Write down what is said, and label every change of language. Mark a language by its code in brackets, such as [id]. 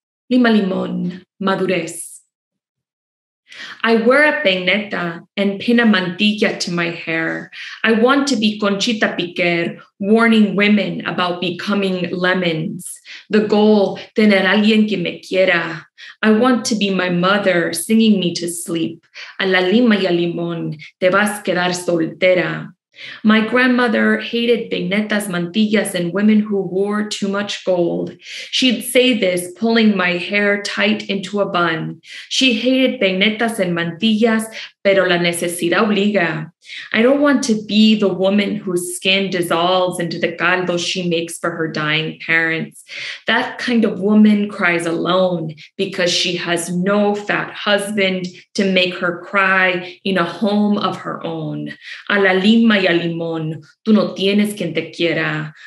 [en] Lima Limón, Madurez. I wear a peineta and pin a mantilla to my hair. I want to be Conchita Piquer, warning women about becoming lemons. The goal, [es] tener alguien que me quiera. [en] I want to be my mother singing me to sleep. [es] A la lima y a limón, te vas a quedar soltera. [en] My grandmother hated peinetas, mantillas, and women who wore too much gold. She'd say this, pulling my hair tight into a bun. She hated peinetas and mantillas, [es] pero la necesidad obliga. [en] I don't want to be the woman whose skin dissolves into the caldo she makes for her dying parents. That kind of woman cries alone because she has no fat husband to make her cry in a home of her own. [es] A la Lima y a Limón, tú no tienes quien te quiera.